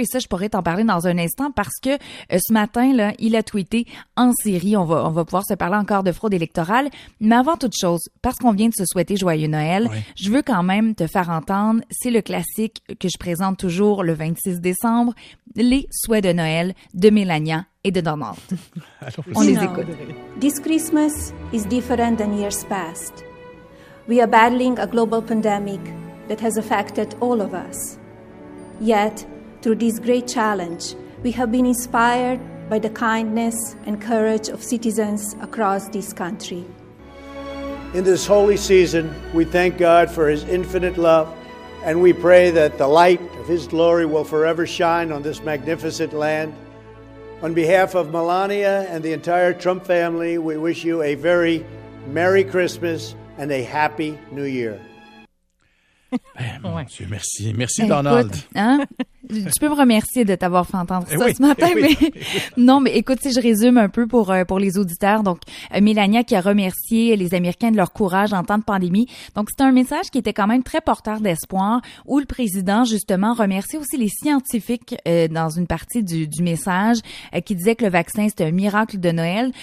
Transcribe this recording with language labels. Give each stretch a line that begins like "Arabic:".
French: Et ça, je pourrais t'en parler dans un instant parce que ce matin là, il a tweeté en Syrie. On va pouvoir se parler encore de fraude électorale. Mais avant toute chose, parce qu'on vient de se souhaiter joyeux Noël, oui, je veux quand même te faire entendre, c'est le classique que je présente toujours le 26 décembre, les souhaits de Noël de Mélania et de Donald. Alors, on les écoute.
English: This Christmas is different than years past. We are battling a global pandemic that has affected all of us. Yet, through this great challenge, we have been inspired by the kindness and courage of citizens across this country. In this holy season, we thank God for His infinite love, and we pray that the light of His glory will forever shine on this magnificent land. On behalf of Melania and the entire Trump family, we wish you a very Merry Christmas and a Happy New Year.
French: Ouais. Monsieur, merci. Merci, écoute, Donald. Hein? Tu peux me remercier de t'avoir fait entendre ça ce matin. Mais... non, mais écoute, si je résume un peu pour les auditeurs. Donc, Mélania qui a remercié les Américains de leur courage en temps de pandémie. Donc, c'est un message qui était quand même très porteur d'espoir, où le président, justement, remerciait aussi les scientifiques dans une partie du message qui disait que le vaccin, c'était un miracle de Noël.